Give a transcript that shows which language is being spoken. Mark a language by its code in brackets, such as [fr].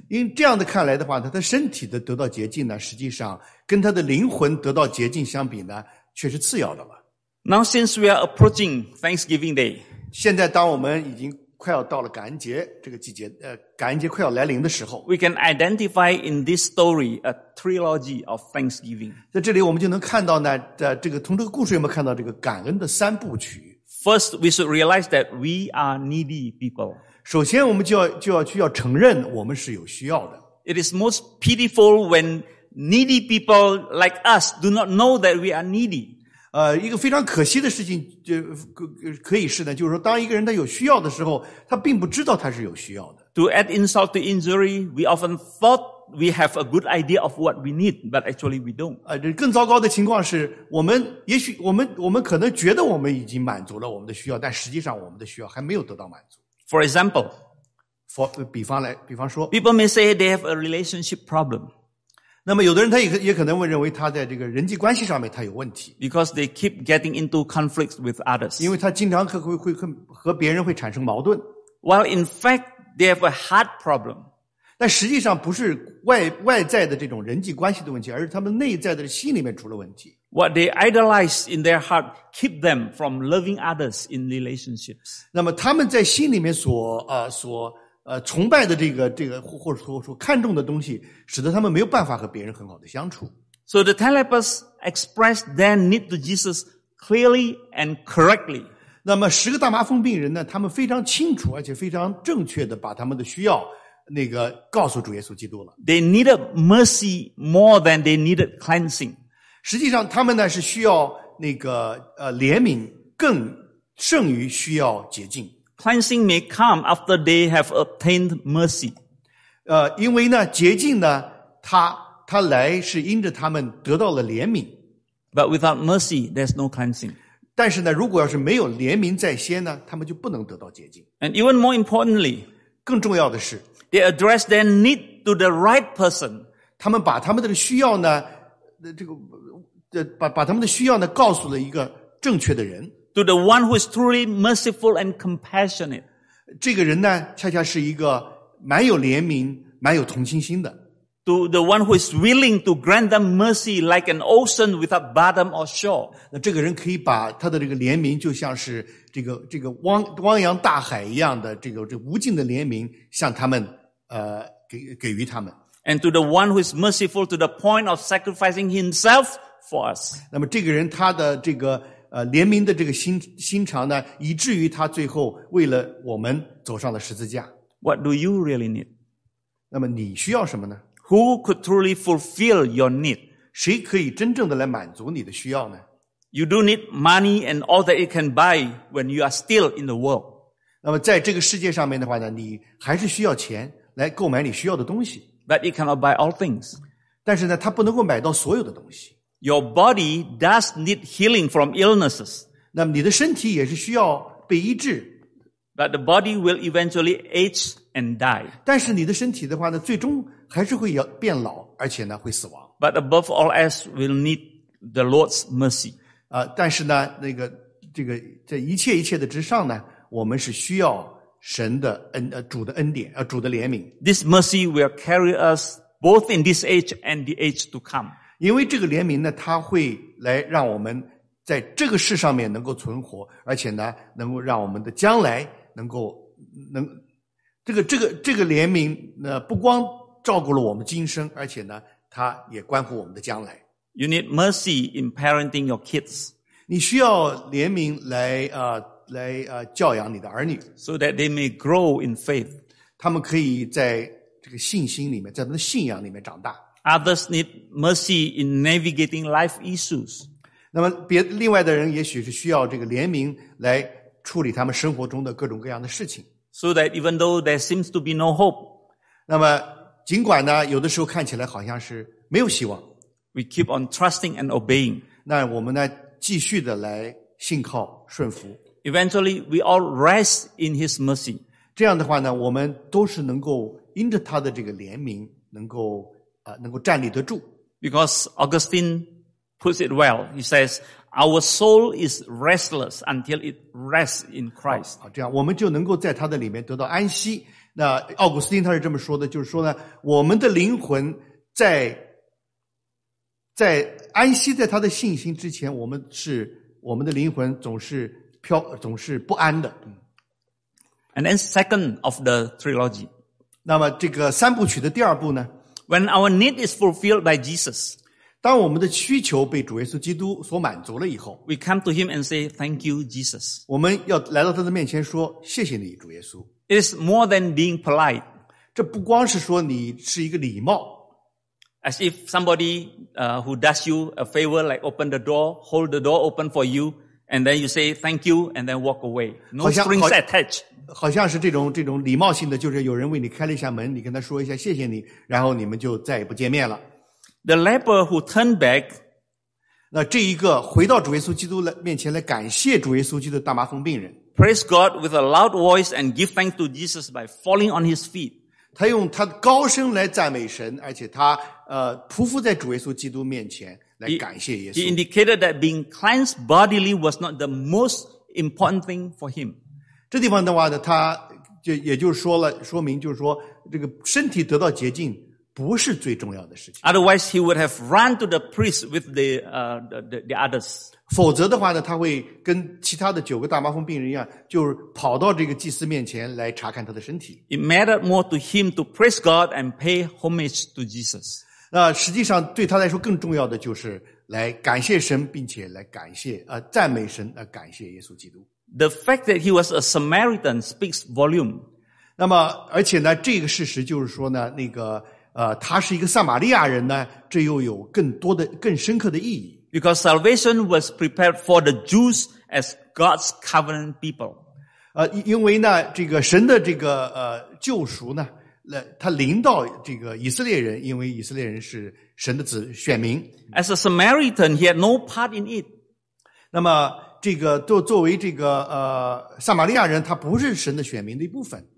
[zh] 因这样的看来的话，他的身体的得到洁净呢，实际上跟他的灵魂得到洁净相比呢，却是次要的了。 [en] Now since we are approaching Thanksgiving Day, [zh] 现在当我们已经快要到了感恩节这个季节，感恩节快要来临的时候 [en] ，we can identify in this story a trilogy of Thanksgiving. [zh] 在这里我们就能看到呢，这个从这个故事有没有看到这个感恩的三部曲。 [en] First, we should realize that we are needy people. [zh] 首先我们就要承认我们是有需要的。 [en] It is most pitiful when needy people like us do not know that we are needy. [zh] 一个非常可惜的事情可以是呢，就是说当一个人他有需要的时候，他并不知道他是有需要的。 [en] To add insult to injury, we often thought we have a good idea of what we need, but actually we don't. [zh] 更糟糕的情况是我们可能觉得我们已经满足了我们的需要，但实际上我们的需要还没有得到满足。 [en] For example, [zh] 比方说 [en] people may say they have a relationship problem. [zh] 那么有的人他也可能会认为他在这个人际关系上面他有问题。 [en] Because they keep getting into conflicts with others. [zh] 因为他经常会和别人会产生矛盾。 [en] While in fact, they have a heart problem. [zh] 但实际上不是外在的这种人际关系的问题，而是他们内在的心里面出了问题。 [en] What they idolize in their heart keep them from loving others in relationships. [zh] 那么他们在心里面所崇拜的这个或者说看重的东西，使得他们没有办法和别人很好的相处。 [en] So the ten lepers expressed their need to Jesus clearly and correctly. [zh] 那么十个大麻风病人呢，他们非常清楚而且非常正确的把他们的需要那个告诉主耶稣基督了。 [en] They needed mercy more than they needed cleansing. [zh] 实际上他们呢是需要那个怜悯更胜于需要洁净。 [en] Cleansing may come after they have obtained mercy. [zh] 因为呢洁净呢他来是因着他们得到了怜悯。 [en] But without mercy, there's no cleansing. [zh] 但是呢如果要是没有怜悯在先呢他们就不能得到洁净。 [en] And even more importantly, [zh] 更重要的是 [en] They address their need to the right person. [zh] 他们把他们的需要呢，把他们的需要呢，告诉了一个正确的人。 [en] To the one who is truly merciful and compassionate. [zh] 这个人呢，恰恰是一个蛮有怜悯、蛮有同情心的。 [en] To the one who is willing to grant them mercy like an ocean without bottom or shore. [zh] 那这个人可以把他的这个怜悯就像是这个汪洋大海一样的这个无尽的怜悯向他们给予他们。 [en] And to the one who is merciful to the point of sacrificing himself for us. [zh] 那么这个人他的这个怜悯的这个心肠呢以至于他最后为了我们走上了十字架。 [en] What do you really need? [zh] 那么你需要什么呢？ [en] Who could truly fulfill your need? [zh] 谁可以真正的来满足你的需要呢？ [en] You do need money and all that it can buy when you are still in the world. [zh] 那么在这个世界上面的话呢，你还是需要钱来购买你需要的东西。 [en] But it cannot buy all things. [zh] 但是呢，它不能够买到所有的东西。 [en] Your body does need healing from illnesses. [zh] 那么你的身体也是需要被医治。 [en] But the body will eventually age and die. [zh] 但是你的身体的话呢，最终还是会要变老，而且呢会死亡。 [en] But above all else, we'll need the Lord's mercy. [zh] 但是呢，那个这个这一切一切的之上呢，我们是需要神的恩主的恩典主的怜悯。 [en] This mercy will carry us both in this age and the age to come. [zh] 因为这个怜悯呢，它会来让我们在这个世上面能够存活，而且呢，能够让我们的将来能够能这个怜悯呢，不光照顾了我们今生，而且呢，它也关乎我们的将来。 [en] You need mercy in parenting your kids. [zh] 你需要怜悯来教养你的儿女 [en] ，so that they may grow in faith. [zh] 他们可以在这个信心里面，在他们的信仰里面长大。 [en] Others need mercy in navigating life issues. [zh] 那么另外的人也许是需要这个怜悯来处理他们生活中的各种各样的事情。 [en] So that even though there seems to be no hope. [zh] 那么尽管呢，有的时候看起来好像是没有希望。 [en] We keep on trusting and obeying. [zh] 那我们呢，继续的来信靠顺服。 [en] Eventually, we all rest in His mercy. [zh] 这样的话呢，我们都是能够因着他的这个怜悯，能够站立得住。 [en] Because Augustine puts it well, he says, "Our soul is restless until it rests in Christ." [zh] 这样我们就能够在他的里面得到安息。那奥古斯丁他是这么说的，就是说呢，我们的灵魂在安息在他的信心之前，我们的灵魂总是不安的。 [en] And then second of the trilogy. [zh] 那么这个三部曲的第二部呢 [en] ?When our need is fulfilled by Jesus. [zh] 当我们的需求被主耶稣基督所满足了以后 [en] ,We come to him and say, thank you, Jesus. [zh] 我们要来到他的面前说谢谢你主耶稣。 [en] It's more than being polite. [zh] 这不光是说你是一个礼貌。 [en] As if somebody, who does you a favor, like open the door, hold the door open for you,And then you say thank you, and then walk away. No strings attached. [zh] 好像是这种礼貌性的，就是有人为你开了一下门，你跟他说一下谢谢你，然后你们就再也不见面了。 [en] The leper who turned back. [zh] 那这一个回到主耶稣基督面前来感谢主耶稣基督的大麻风病人。 [en] Praise God with a loud voice and give thanks to Jesus by falling on his feet. [zh] 他用他高声来赞美神，而且他匍匐在主耶稣基督面前。来感谢耶稣。 [en] He indicated that being cleansed bodily was not the most important thing for him. [zh] 这地方的话呢，他就也就是说了，说明就是说，这个身体得到洁净不是最重要的事情。 [en] Otherwise, he would have run to the priest with the others. [zh] 否则的话呢，他会跟其他的九个大麻风病人一样，就是跑到这个祭司面前来查看他的身体。 [en] It mattered more to him to praise God and pay homage to Jesus. [zh] 那实际上对他来说更重要的就是来感谢神，并且来感谢赞美神，感谢耶稣基督。 [en] The fact that he was a Samaritan speaks volume. [zh] 那么而且呢，这个事实就是说呢，那个他是一个撒玛利亚人呢，这又有更多的更深刻的意义。 [en] Because salvation was prepared for the Jews as God's covenant people. [zh] 因为呢，这个神的这个救赎呢。他临到这个以色列人，因为以色列人是神的子选民。 [en] As a Samaritan, he had no part in it. [zh] 那么这个作为这个撒玛利亚人，他不是神的选民的一部分。